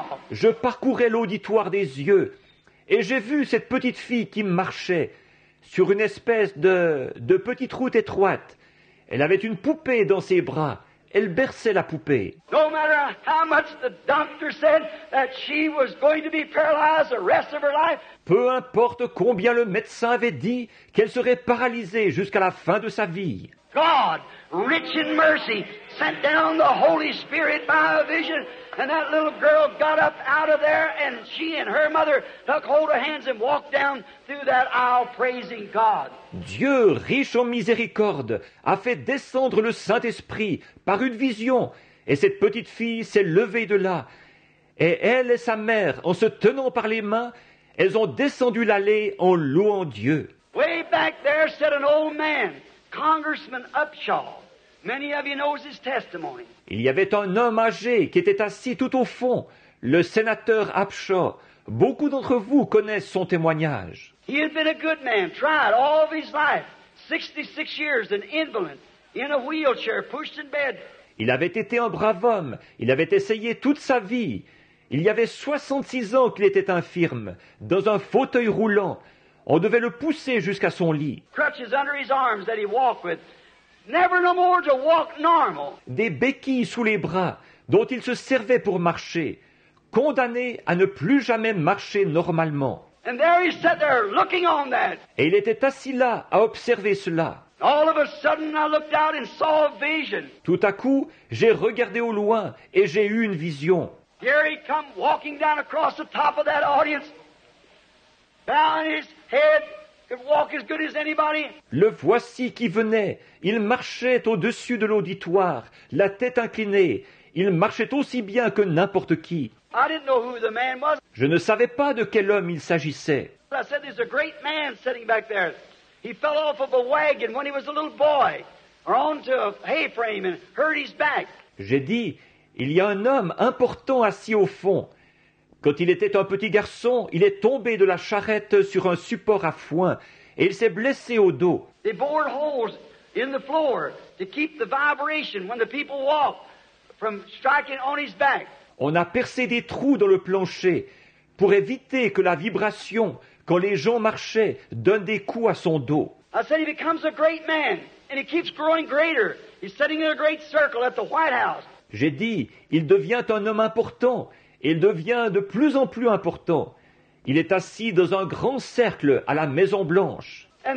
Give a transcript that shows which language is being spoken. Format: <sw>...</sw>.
<fr>Je parcourais l'auditoire des yeux et j'ai vu cette petite fille qui marchait sur une espèce de petite route étroite. Elle avait une poupée dans ses bras. Elle berçait la poupée.</fr> <en>No matter how much the doctor said that she was going to be paralyzed the rest of her life.</en> <fr>Peu importe combien le médecin avait dit qu'elle serait paralysée jusqu'à la fin de sa vie.</fr> <en>God, rich in mercy, sent down the Holy Spirit by a vision, and that little girl got up out of there, and she and her mother took hold of hands and walked down through that aisle praising God.</en> <fr>Dieu, riche en miséricorde, a fait descendre le Saint-Esprit par une vision, et cette petite fille s'est levée de là. Et elle et sa mère, en se tenant par les mains, elles ont descendu l'allée en louant Dieu.</fr> <en>Way back there sat an old man, Congressman Upshaw. Many of you know his testimony.</en> <fr>Il y avait un homme âgé qui était assis tout au fond, le sénateur Upshaw. Beaucoup d'entre vous connaissent son témoignage.</fr> <en>He had been a good man, tried all of his life, 66 years, an invalid, in a wheelchair, pushed in bed.</en> <fr>Il avait été un brave homme, il avait essayé toute sa vie. Il y avait 66 ans qu'il était infirme, dans un fauteuil roulant. On devait le pousser jusqu'à son lit.</fr> <en>Crutches under his arms that he walked with, never no more to walk normal.</en> <fr>Des béquilles sous les bras, dont il se servait pour marcher, condamné à ne plus jamais marcher normalement.</fr> <en>And there he sat there looking on that.</en> <fr>Et il était assis là à observer cela.</fr> <en>All of a sudden I looked out and saw a vision.</en> <fr>Tout à coup, j'ai regardé au loin et j'ai eu une vision.</fr> <en>Here he come walking down across the top of that audience, bowing his head. Could walk as good as anybody.</en> <fr>Le voici qui venait. Il marchait au-dessus de l'auditoire, la tête inclinée. Il marchait aussi bien que n'importe qui.</fr> <en>I didn't know who the man was.</en> <fr>Je ne savais pas de quel homme il s'agissait.</fr> <en>I said there's a great man sitting back there. He fell off of a wagon when he was a little boy, or onto a hay frame and hurt his back.</en> <fr>J'ai dit, il y a un homme important assis au fond. Quand il était un petit garçon, il est tombé de la charrette sur un support à foin et il s'est blessé au dos.</fr> <en>They bored holes in the floor to keep the vibration when the people walk from striking on his back.</en> <fr>On a percé des trous dans le plancher pour éviter que la vibration, quand les gens marchaient, donne des coups à son dos.</fr> <en>I said he becomes a great man and he keeps growing greater. He's sitting in a great circle at the White House.</en> <fr>J'ai dit, il devient un homme important. Il devient de plus en plus important. Il est assis dans un grand cercle à la Maison Blanche.</fr>